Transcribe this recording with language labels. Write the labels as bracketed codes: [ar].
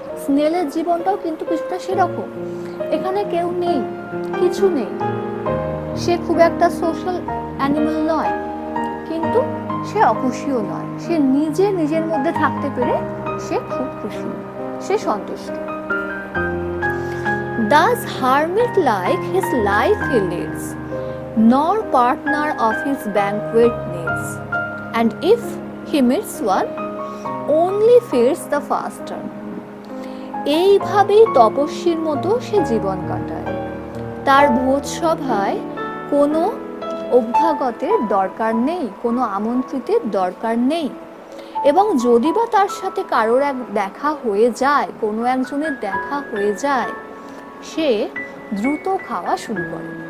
[bn] স্নেলের জীবনটাও কিন্তু কিছুটা সেরকম। এখানে কেউ নেই, কিছু নেই, সে খুব একটা সোশ্যাল অ্যানিমাল নয়, কিন্তু সে অখুশিও নয়। সে নিজে নিজের মধ্যে থাকতে পেরে সে খুব খুশি, সে সন্তুষ্ট। [en] Does hermit like his life he leads, nor partner of his banquet needs, and if he meets one, only fears the faster. [bn] এইভাবেই তপস্বীর মতো সে জীবন কাটায়। তার ভোজসভায় কোনো অভ্যাগতের দরকার নেই, কোনো আমন্ত্রিতের দরকার নেই। এবং যদি বা তার সাথে কারোর এক দেখা হয়ে যায়, কোনো একজনের দেখা হয়ে যায়, সে দ্রুত খাওয়া শুরু করে।